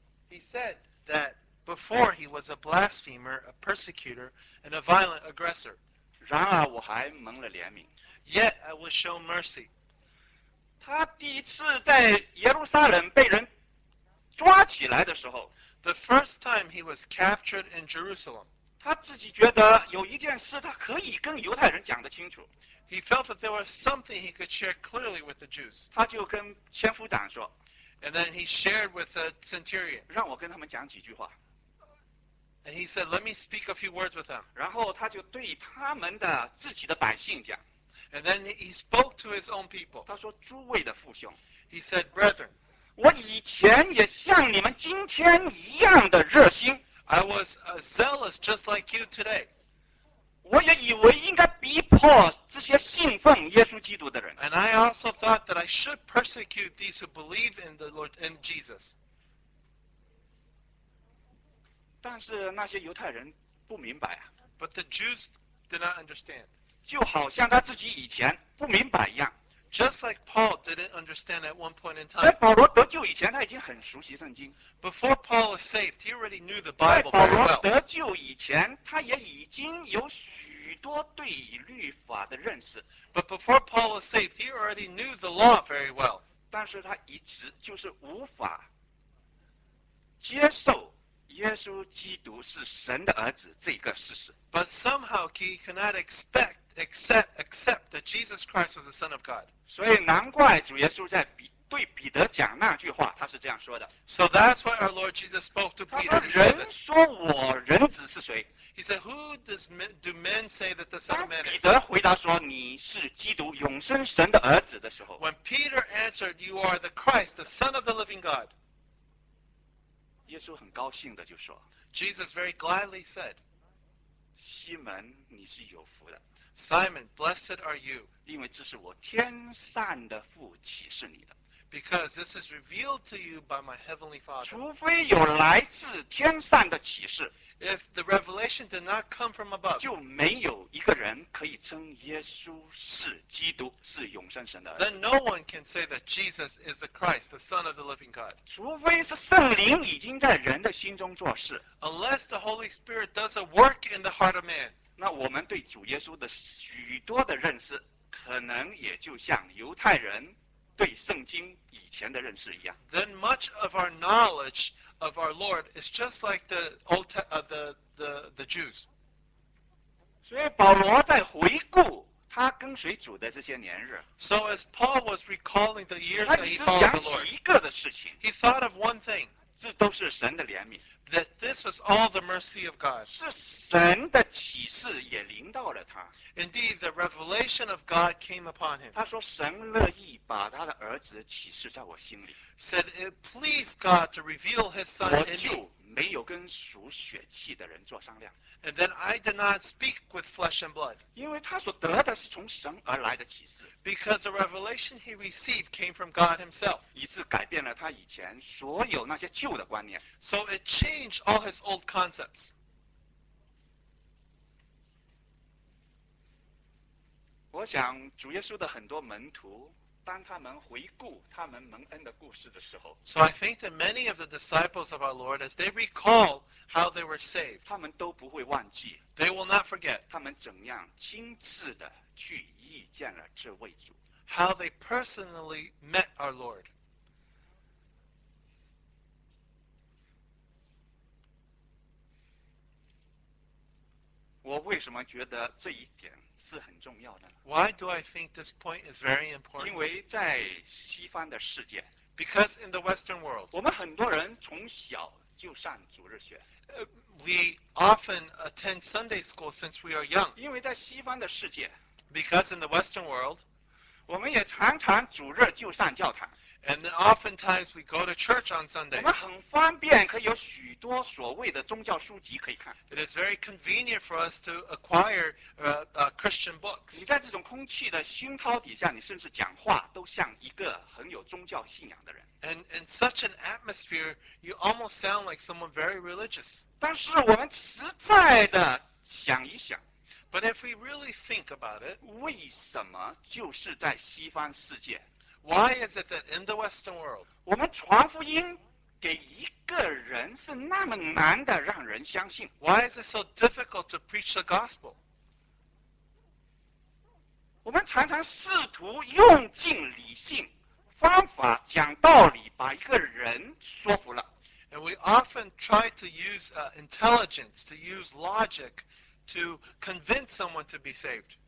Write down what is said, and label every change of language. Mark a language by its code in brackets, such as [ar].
[en] He said that before he was a blasphemer, a persecutor, and a violent aggressor. [zh] 然而我还蒙了怜悯。 [en] Yet I was shown mercy. [zh] 他第一次在耶路撒冷被人抓起来的时候， [en] The first time he was captured in Jerusalem, [zh] 他自己觉得有一件事他可以跟犹太人讲得清楚。 [en] He felt that there was something he could share clearly with the Jews. [zh] 他就跟千夫长说。 [en] And then he shared with the centurion. [zh] 让我跟他们讲几句话。 [en] And he said, let me speak a few words with them. [zh] 然后他就对他们的自己的百姓讲。 [en] And then he spoke to his own people. [zh] 他说诸位的父兄。 [en] He said, brethren, [zh] 我以前也像你们今天一样的热心。 [en] I was a zealous just like you today. [zh] 我也以为应该逼迫这些信奉耶稣基督的人。 [en] And I also thought that I should persecute these who believe in the Lord and Jesus. [zh] 但是那些犹太人不明白啊。 [en] But the Jews did not understand. [zh] 就好像他自己以前不明白一样。 [en] Just like Paul didn't understand at one point in time. [zh] 在保罗得救以前，他已经很熟悉圣经。 [en] Before Paul was saved, he already knew the Bible very well. [zh] 在保罗得救以前，他也已经有许多对律法的认识。 [en] But before Paul was saved, he already knew the law very well. [zh] 但是他一直就是无法接受耶稣基督是神的儿子这个事实。 [en] But somehow he cannot accept that Jesus Christ was the Son of God. [zh] 所以难怪主耶稣在对彼得讲那句话，他是这样说的。 [en] So that's why our Lord Jesus spoke to Peter. [zh] 他说人说我人子是谁？ [en] He said, who do men say that the Son of Man is? [zh] 彼得回答说你是基督永生神的儿子的时候， [en] When Peter answered, you are the Christ, the Son of the living God. [zh] 耶稣很高兴的就说， [en] Jesus very gladly said, [zh] 西门你是有福的。 [en] Simon, blessed are you. [zh] 因为这是我天上的父启示你的。 [en] Because this is revealed to you by my heavenly Father. [zh] 除非有来自天上的启示。 [en] If the revelation did not come from above. [zh] 就没有一个人可以称耶稣是基督，是永生神的。 [en] Then no one can say that Jesus is the Christ, the Son of the living God. [zh] 除非是圣灵已经在人的心中做事。 [en] Unless the Holy Spirit does a work in the heart of man. [zh] 那我们对主耶稣的许多的认识可能也就像犹太人对圣经以前的认识一样。 [en] Then much of our knowledge of our Lord is just like the old the Jews. [zh] 所以保罗在回顾他跟随主的这些年日， [en] So as Paul was recalling the years that he followed the Lord, [zh] 他一直想起一个的事情， [en] He thought of one thing. [zh] 这都是神的怜悯。 [en] That this was all the mercy of God. [zh] 是神的启示也临到了他。 [en] Indeed, the revelation of God came upon him. [zh] 他说神乐意把他的儿子启示在我心里。 [en] Said it pleased God to reveal his son in me. [zh] 我就没有跟属血气的人做商量。 [en] And then I did not speak with flesh and blood. [zh] 因为他所得的是从神而来的启示。 [en] Because the revelation he received came from God himself. [zh] 以致改变了他以前所有那些旧的观念。 [en] So it changed all his old concepts. [zh] 我想主耶稣的很多门徒当他们回顾他们蒙恩的故事的时候 [en] ，So I think that many of the disciples of our Lord, as they recall how they were saved, [zh] 他们都不会忘记 [en] ，They will not forget [zh] 他们怎样亲自的去遇见了这位主 [en] ，How they personally met our Lord。 [zh] 我为什么觉得这一点是很重要的呢 [en] ？Why do I think this point is very important？ [zh] 因为在西方的世界 [en] ，Because in the Western world， [zh] 我们很多人从小就上主日学。 [en] We often attend Sunday school since we are young。 [zh] 因为在西方的世界 [en] ，Because in the Western world， [zh] 我们也常常主日就上教堂。 [en] And oftentimes we go to church on Sundays. [zh] 我们很方便，可以有许多所谓的宗教书籍可以看。 [en] It is very convenient for us to acquire Christian books. [zh] 你在这种空气的熏陶底下，你甚至讲话都像一个很有宗教信仰的人。 [en] And in such an atmosphere, you almost sound like someone very religious. [zh] 但是我们实在的想一想。 [en] But if we really think about it, [zh] 为什么就是在西方世界？ [en] Why is it that in the Western world, [zh] 我们传福音给一个人是那么难的让人相信 [en] Why is it so difficult to preach the gospel? [zh] 我们常常试图用尽理性方法讲道理把一个人说服了 [en] And we often try to use intelligence, to use logic to convince someone to be saved.